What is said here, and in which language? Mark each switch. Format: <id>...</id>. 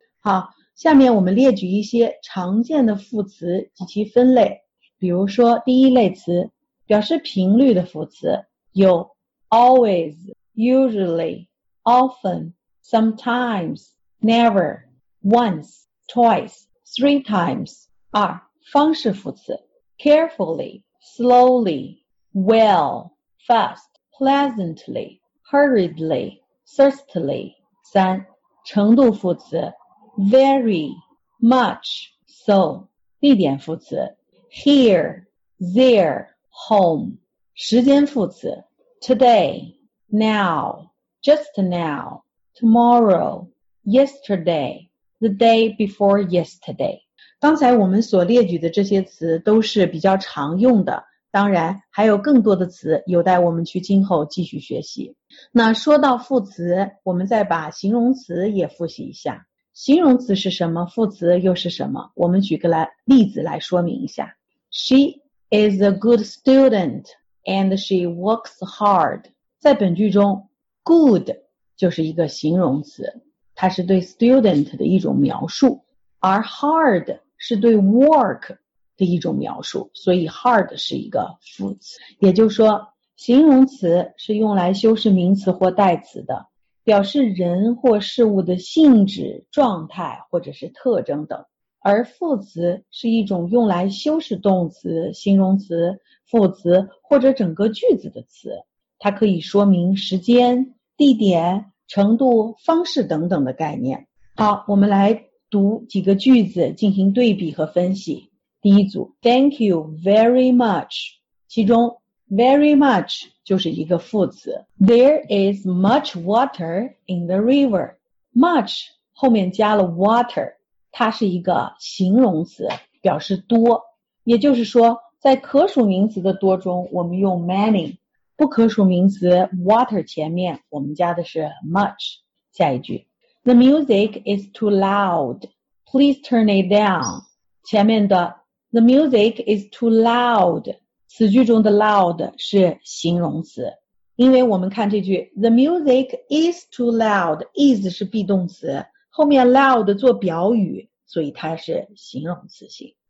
<zh>好，下面我们列举一些常见的副词及其分类。比如说第一类词，表示频率的副词，有</zh> <en>always、usually, often, sometimes, never, once, twice, three times。</en> <zh>二，方式副词，</zh> <en>carefully, slowly, well, fast, pleasantly, hurriedly, thirstily.</en> <zh>三程度副词</zh> <en>very, much, so.</en> <zh>地点副词</zh> <en>here, there, home.</en> <zh>时间副词</zh> <en>today, now, just now, tomorrow, yesterday, the day before yesterday.</en> <zh>刚才我们所列举的这些词都是比较常用的，当然还有更多的词有待我们去今后继续学习。那说到副词，我们再把形容词也复习一下。形容词是什么？副词又是什么？我们举个例子来说明一下。</zh> <en>She is a good student and she works hard.</en> <zh>在本句中 good 就是一个形容词，它是对 student 的一种描述，而 hard 是对 work 的一种描述，所以 hard 是一个副词。也就是说，形容词是用来修饰名词或代词的，表示人或事物的性质、状态或者是特征等，而副词是一种用来修饰动词、形容词、副词或者整个句子的词，它可以说明时间、地点、程度、方式等等的概念。好，我们来读几个句子进行对比和分析。第一组</zh> <en>Thank you very much，</en> <zh>其中 very much 就是一个副词。</zh> <en>There is much water in the river， much</en> <zh>后面加了</zh> <en>water，</en> <zh>它是一个形容词，表示多。也就是说，在可数名词的多中我们用 many，不可数名词 water 前面我们加的是 much。下一句</zh> <en>The music is too loud, please turn it down。</en> <zh>前面的</zh> <en>The music is too loud，</en> <zh>此句中的 loud 是形容词，因为我们看这句 The music is too loud， is 是 be 动词，后面 loud 做表语，所以它是形容词性。</zh>